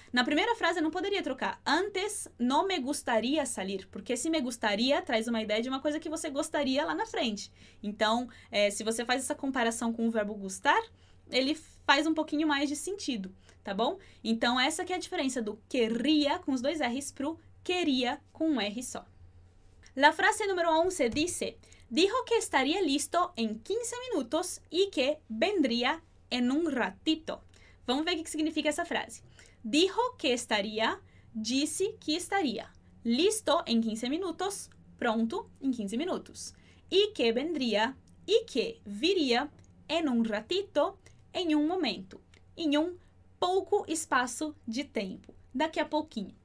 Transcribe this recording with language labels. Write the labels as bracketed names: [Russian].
[Portuguese] Na primeira frase, eu não poderia trocar antes [Spanish] no me gustaría salir, [Portuguese] porque esse me gustaría traz uma ideia de uma coisa que você gostaria lá na frente. Então, se você faz essa comparação com o verbo gustar, ele faz um pouquinho mais de sentido, tá bom? Então, essa que é a diferença do querría com os dois R's pro queria com um R só. [Spanish] La frase número 11 dice, dijo que estaría listo en 15 minutos y que vendría en un ratito. [Portuguese] Vamos ver o que significa essa frase. [Spanish] Dijo que estaría, [Portuguese] disse que estaria. Listo em 15 minutos, pronto em 15 minutos. [Spanish] Y que vendría, [Portuguese] y que viria [Spanish] en un ratito, [Portuguese] em um momento, em um pouco espaço de tempo, daqui a pouquinho.